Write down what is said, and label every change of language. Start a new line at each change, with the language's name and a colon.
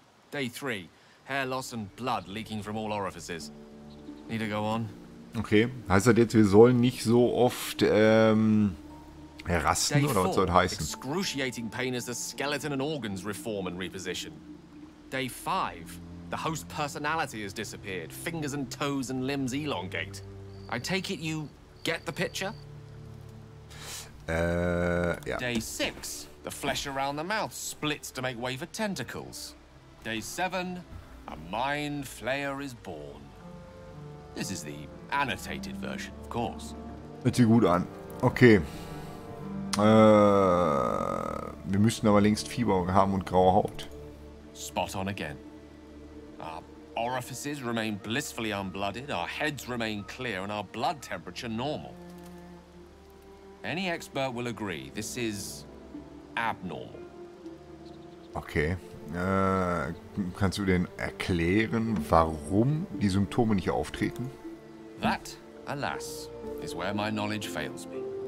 English: Day three, hair loss and blood leaking from all orifices. Need to go on.
German: Okay, heißt das jetzt, wir sollen nicht so oft rasten, oder was soll das heißen?
English: Excruciating pain as the skeleton and organs reform and reposition. Day five. The host personality has disappeared. Fingers and toes and limbs elongate. I take it you get the picture? Yeah. Day six, the flesh around the mouth splits to make way for tentacles. Day seven, a mind flayer is born. This is the annotated version, of course.
German: Hört sich gut an. Okay. Wir müssten aber längst Fieber haben und graue Haut.
English: Spot on again. Our orifices remain blissfully unblooded, our heads remain clear, and our blood temperature normal. Any expert will agree, this is abnormal. Okay.
German: Kannst du denn erklären, warum die Symptome nicht auftreten?
English: That, alas, is where my knowledge fails me.